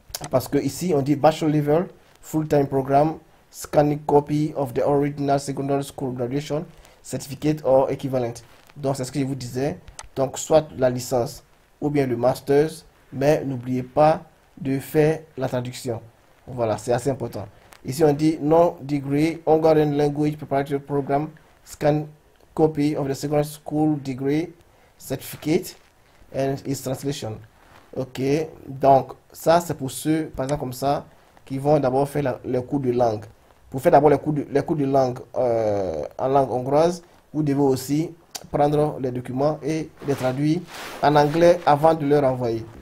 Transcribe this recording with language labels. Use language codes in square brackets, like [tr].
[fr] Parce que ici, on dit [en] Bachelor Level, Full Time Program, Scanning Copy of the Original Secondary School Graduation, Certificate or Equivalent. [fr] Donc c'est ce que je vous disais. Donc soit la licence ou bien le master, mais n'oubliez pas de faire la traduction. Voilà, c'est assez important. Ici, on dit [en] non-degree, ongoing language preparatory program, scan copy of the secondary school degree certificate and its translation. [fr] Ok, donc ça, c'est pour ceux, par exemple, comme ça, qui vont d'abord faire le cours de langue. Pour faire d'abord les cours de langue en langue hongroise, vous devez aussi prendre les documents et les traduire en anglais avant de leur envoyer.